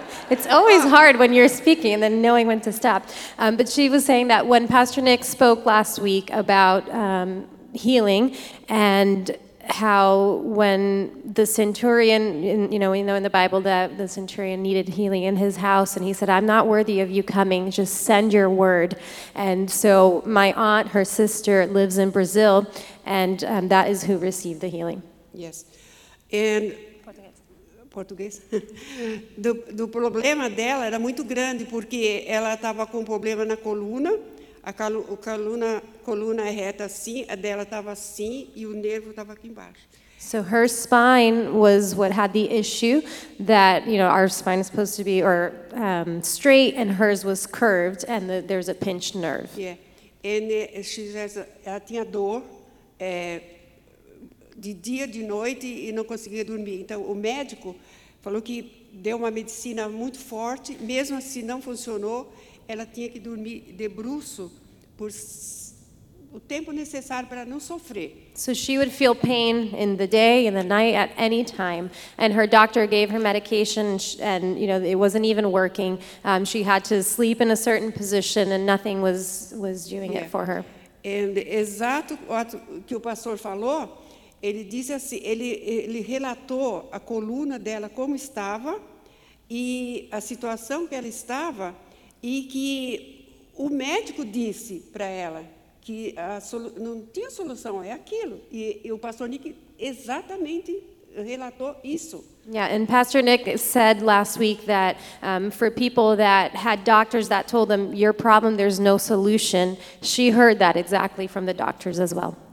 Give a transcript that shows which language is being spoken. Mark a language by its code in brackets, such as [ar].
[en] It's always hard when you're speaking and then knowing when to stop. But she was saying that when Pastor Nick spoke last week about healing and how when the centurion, we know in the Bible that the centurion needed healing in his house, and he said, I'm not worthy of you coming, just send your word. And so my aunt, her sister, lives in Brazil, and that is who received the healing. Yes. And português. [pt] Do problema dela era muito grande, porque ela estava com problema na coluna, a coluna reta assim, a dela estava assim, e o nervo estava aqui embaixo. [en] So her spine was what had the issue that, you know, our spine is supposed to be straight, and hers was curved, and there's a pinched nerve. Yeah, and she says, [pt] ela tinha dor, de dia, de noite, e não conseguia dormir. Então, o médico falou que deu uma medicina muito forte, mesmo assim não funcionou, ela tinha que dormir de bruço por o tempo necessário para não sofrer. [en] So she would feel pain in the day, in the night, at any time. And her doctor gave her medication, and you know, it wasn't even working. She had to sleep in a certain position, and nothing was doing it for her. [pt] Exato o que o pastor falou, ele disse assim, ele relatou a coluna dela como estava e a situação que ela estava e que o médico disse para ela que não tinha solução, é aquilo. E o pastor Nick exatamente relatou isso. [en] Yeah, and Pastor Nick said last week that for people that had doctors that told them, your problem, there's no solution, she heard that exactly from the doctors as well.